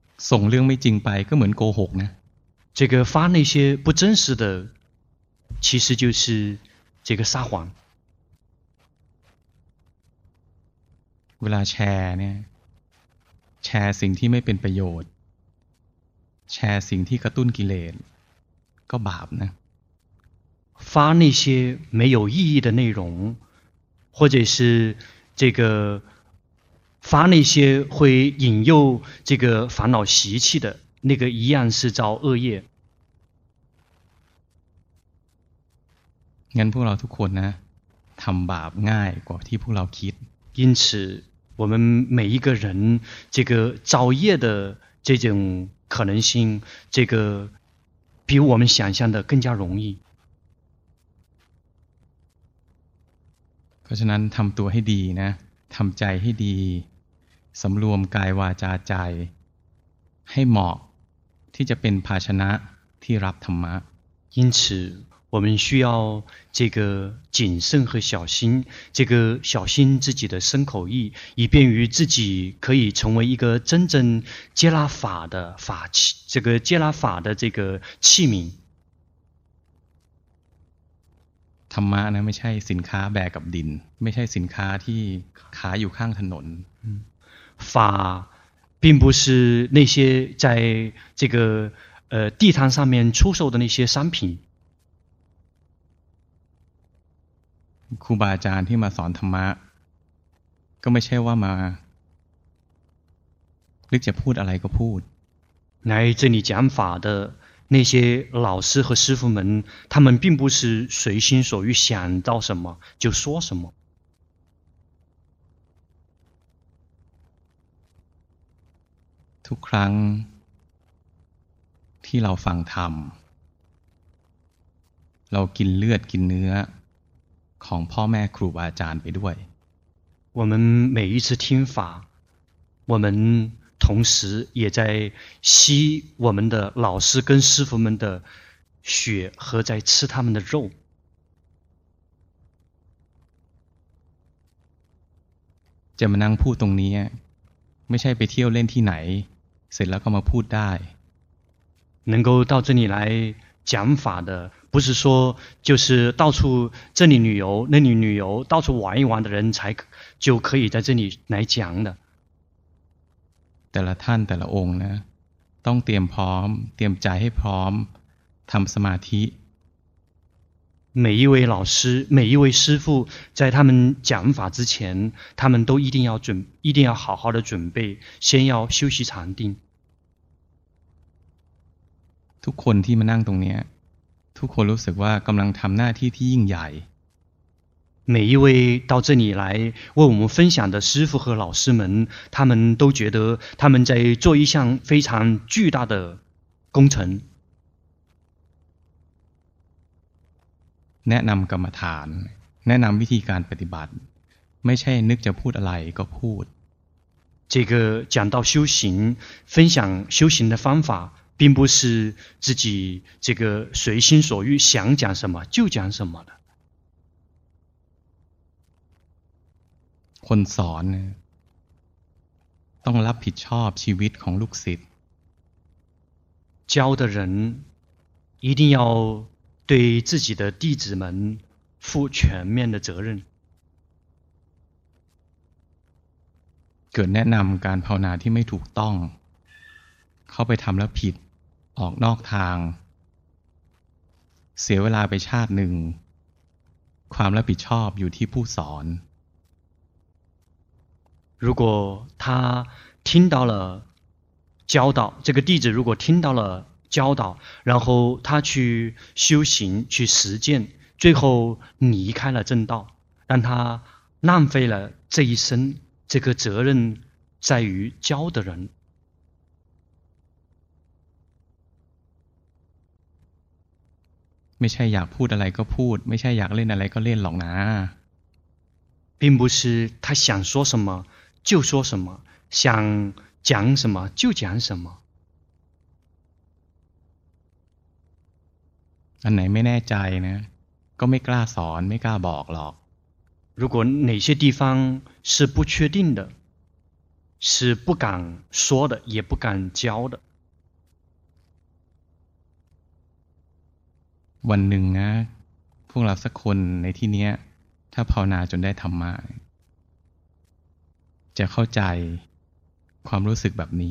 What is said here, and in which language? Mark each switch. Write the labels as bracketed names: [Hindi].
[Thai] ส่งเรื่องไม่จริงไปก็เหมือนโกหกนะ [Chinese] 这个发那些不真实的其实就是这个撒谎 [Thai] เวลาแชร์เนี่ยแชร์สิ่งที่ไม่เป็นประโยชน์แชร์สิ่งที่กระตุ้นกิเลสก็บาปนะ [Chinese] 发那些没有意义的内容或者是这个发那些会引诱这个烦恼习气的那个一样是造恶业 [Thai] งั้นพวกเราทุกคนนะทำบาปง่ายกว่าที่พวกเราคิด [Chinese] 因此我们每一个人这个造业的这种可能性这个比我们想象的更加容易 [Thai] เพราะฉะนั้นทำตัวให้ดีนะทำใจให้ดีสำรวมกายวาจาใจให้เหมาะที่จะเป็นภาชนะที่รับธรรมะ [Chinese] 因此我们需要这个谨慎和小心，这个小心自己的身口意，以便于自己可以成为一个真正接纳法的法器，这个接纳法的这个器皿。 [Thai] ธรรมะนะไม่ใช่สินค้าแบกกับดินไม่ใช่สินค้าที่ขายอยู่ข้างถนน [Chinese] 法并不是那些在这个地摊上面出售的那些商品 [Thai] ครูบาอาจารย์ที่มาสอนธรรมะก็ไม่ใช่ว่ามาหรือจะพูดอะไรก็พูด [Chinese] 来这里讲法的那些老师和师父们，他们并不是随心所欲，想到什么就说什么。 [Thai] ทุกครั้งที่เราฟังธรรมเรากินเลือดกินเนื้อของพ่อแม่ครูบาอาจารย์ไปด้วย [Chinese] 我们每一次听法，我们同时也在吸我们的老师跟师父们的血和在吃他们的肉。 [Thai] จะมานั่งพูดตรงนี้ไม่ใช่ไปเที่ยวเล่นที่ไหนเสร็จแล้วก็มาพูดได้ [Chinese] 能够到这里来讲法的不是说就是到处这里旅游那里旅游到处玩一玩的人才就可以在这里来讲的 [Thai] แต่ละท่านแต่ละองค์นะต้องเตรียมพร้อมเตรียมใจให้พร้อมทำสมาธิ [Chinese] 每一位老师每一位师父在他们讲法之前他们都一定要好好的准备先要休息禅定 [Thai] ทุกคนที่มานั่งตรงนี้ทุกคนรู้สึกว่ากำลังทำหน้าที่ที่ยิ่งใหญ่ [Chinese] 每一位到这里来为我们分享的师父和老师们他们都觉得他们在做一项非常巨大的工程 [Thai] แนะนำกรรมฐานแนะนำวิธีการปฏิบัติไม่ใช่นึกจะพูดอะไรก็พูด [Chinese] 这个讲到修行分享修行的方法并不是自己这个随心所欲想讲什么就讲什么的 [Thai] คนสอนต้องรับผิดชอบชีวิตของลูกศิษย์ [Chinese] 教的人一定要对自己的弟子们负全面的责任 [Thai] เกิดแนะนำการภาวนาที่ไม่ถูกต้องเข้าไปทำแล้วผิดออกนอกทางเสียเวลาไปชาติหนึ่งความรับผิดชอบอยู่ที่ผู้สอน [Chinese] 如果他听到了教导，这个弟子如果听到了教导，然后他去修行，去实践，最后离开了正道，让他浪费了这一生，这个责任在于教的人。 [Thai] ไม่ใช่อยากพูดอะไรก็พูดไม่ใช่อยากเล่นอะไรก็เล่นหรอกนะ [Chinese] 并不是他想说什么就说什么想讲什么就讲什么 [Thai] อันไหนไม่แน่ใจนะก็ไม่กล้าสอนไม่กล้าบอกหรอก [Chinese] 如果哪些地方是不确定的是不敢说的也不敢教的 [Thai] วันหนึ่งนะพวกเราสักคนในที่นี้ถ้าภาวนาจนได้ธรรมะจะเข้าใจความรู้สึกแบบนี